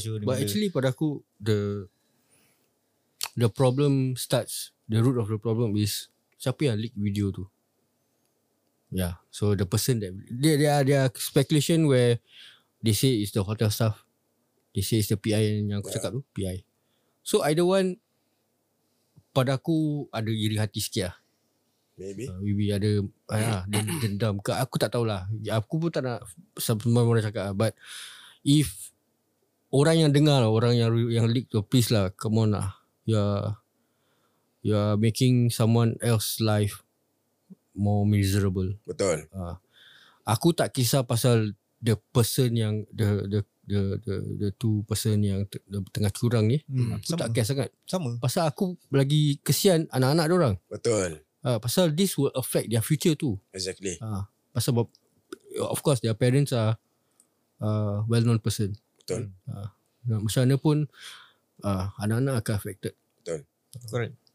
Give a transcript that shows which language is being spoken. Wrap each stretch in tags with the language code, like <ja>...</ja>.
<ms>But benda.</ms> <en>Actually</en> <ms>pada aku</ms> <en>the problem starts, the root of the problem is</en> <ms>siapa yang</ms> <en>leak video tu? Yeah, so the person that there are speculation where they say it's the hotel staff, they say it's the PI</en> <ms>yang aku cakap tu,</ms> <en>PI. So either one,</en> <ms>pada aku ada iri hati sikit lah.</ms> <en>Maybe</en> <ms>ada dendam ke, aku tak tahulah. Aku pun tak nak sembarang orang cakap lah. But if orang yang dengar, orang yang leak tu, please lah,</ms> <en>come on</en> <ms>lah.</ms> <en>You are making someone else life more miserable.</en> <ms>Betul. Aku tak kisah pasal</ms> <en>the person</en> <ms>yang</ms> <en>the two person</en> <ms>yang tengah curang ni. Aku sama. Tak kisah sangat. Sama. Pasal aku lagi kesian anak-anak dia orang. Betul. Pasal</ms> <en>this will affect their future too. Exactly.</en> <ms>Pasal</ms> <en>of course their parents are well known person.</en> <ms>Betul. Macam mana pun anak-anak akan affected. Betul.</ms> <en>Correct.</en>